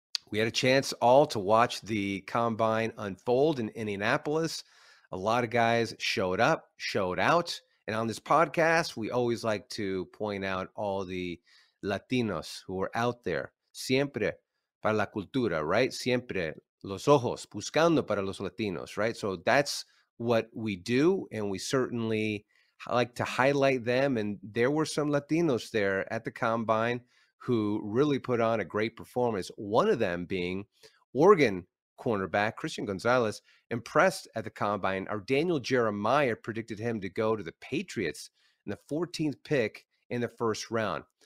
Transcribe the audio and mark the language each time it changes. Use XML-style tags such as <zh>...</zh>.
<en>We had a chance all to watch the combine unfold in Indianapolis. A lot of guys showed up, showed out. And on this podcast, we always like to point out all the Latinos who are out there.</en> <es>Siempre para la cultura, right? Siempre los ojos buscando para los Latinos, right?</es> <en>So that's what we do. And we certainly like to highlight them. And there were some Latinos there at the combine who really put on a great performance. One of them being Oregon cornerback Christian Gonzalez, impressed at the combine. Our Daniel Jeremiah predicted him to go to the Patriots in the 14th pick in the first round.</en>